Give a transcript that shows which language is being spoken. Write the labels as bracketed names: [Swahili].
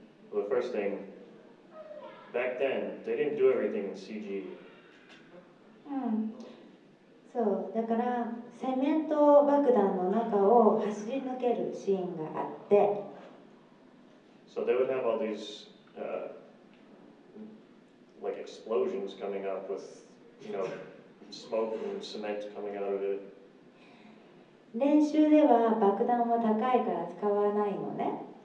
[English] Well, the first thing, back then, they didn't do everything in CG. [Japanese] そう、だからセメント爆弾の中を走り抜けるシーンがあって。 [English] So they would have all these, like explosions coming up with, you know, smoke and cement coming out of it. [Japanese] 練習では爆弾は高いから使わないのね。